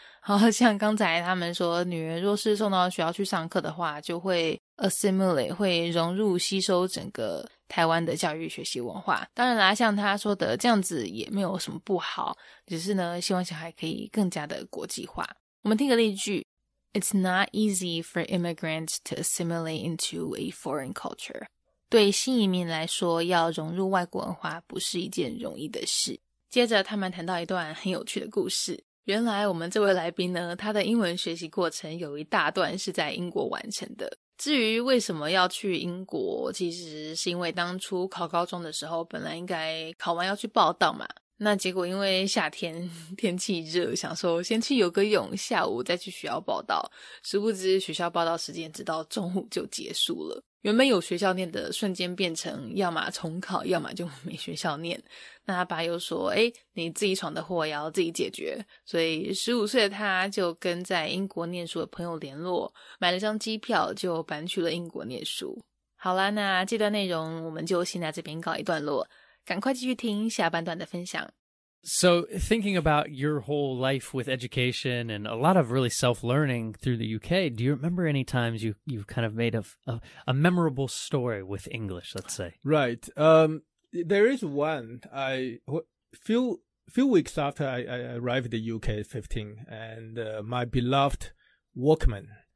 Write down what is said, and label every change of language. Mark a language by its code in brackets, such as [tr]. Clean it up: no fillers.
[zh] 好像刚才他们说女儿若是送到学校去上课的话，就会 assimilate, 会融入吸收整个台湾的教育学习文化。当然啦，像他说的这样子也没有什么不好，只是呢希望小孩可以更加的国际化。我们听个例句 [en] It's not easy for immigrants to assimilate into a foreign culture. [zh] 对新移民来说，要融入外国文化不是一件容易的事。接着他们谈到一段很有趣的故事。原来我们这位来宾呢，他的英文学习过程有一大段是在英国完成的。至于为什么要去英国，其实是因为当初考高中的时候，本来应该考完要去报到嘛，那结果因为夏天天气热，想说先去游个泳，下午再去学校报到，殊不知学校报到时间直到中午就结束了。原本有学校念的瞬间变成要么重考，要么就没学校念。那他爸又说你自己闯的祸也要自己解决，所以15岁的他就跟在英国念书的朋友联络，买了张机票就搬去了英国念书。好啦，那这段内容我们就先在这边告一段落，赶快继续听下半段的分享。 [en] So thinking about your whole life with education and a lot of really self-learning through the UK, do you remember any times you've kind of made a memorable story with English, let's say? Right. There is one. Few weeks after I arrived in the UK, 15, and my beloved Walkman.